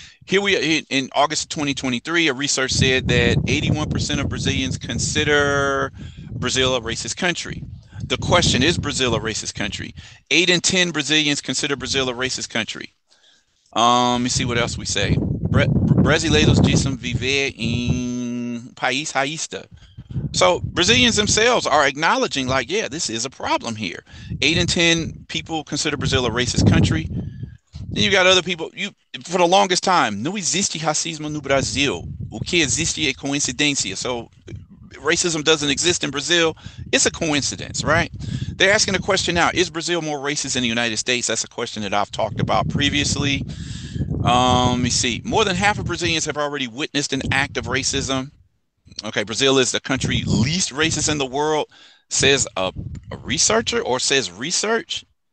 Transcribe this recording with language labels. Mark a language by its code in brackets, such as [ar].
[en] Here we are in August of 2023. A research said that 81% of Brazilians consider Brazil a racist country. The question is, Brazil a racist country? 8 in 10 Brazilians consider Brazil a racist country. Let me see what else we say. [pt] Brasileiros dizem viver em país raísta. [en] So Brazilians themselves are acknowledging, like, yeah, this is a problem here. 8 in 10 people consider Brazil a racist country. Then you got other people. You, for the longest time, [pt] não existe racismo no Brasil. O que existe é coincidência. [en] So racism doesn't exist in Brazil. It's a coincidence, right? They're asking a question now. Is Brazil more racist than the United States? That's a question that I've talked about previously. Let me see. More than half of Brazilians have already witnessed an act of racism. Okay, Brazil is the country least racist in the world, says a researcher, or says research.